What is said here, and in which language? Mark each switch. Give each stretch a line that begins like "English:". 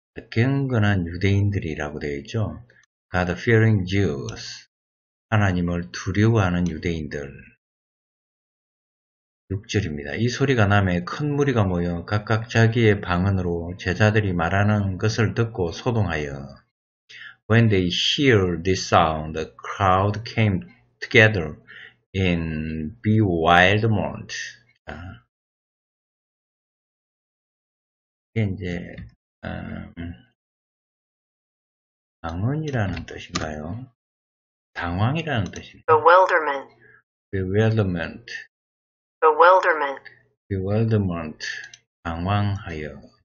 Korean: 경건한 유대인들이라고 되어 있죠.
English: God fearing Jews.
Korean: 하나님을 두려워하는 유대인들. 6절입니다. 이 소리가 나매 큰 무리가 모여 각각 자기의 방언으로 제자들이 말하는 것을 듣고 소동하여.
English: When they hear this sound, the crowd came together in bewilderment.
Korean: 이게 이제, 방언이라는 뜻인가요? 당황이라는 뜻입니다.
English: Bewilderment. Bewilderment. Bewilderment. Bewilderment.
Korean: 당황하여.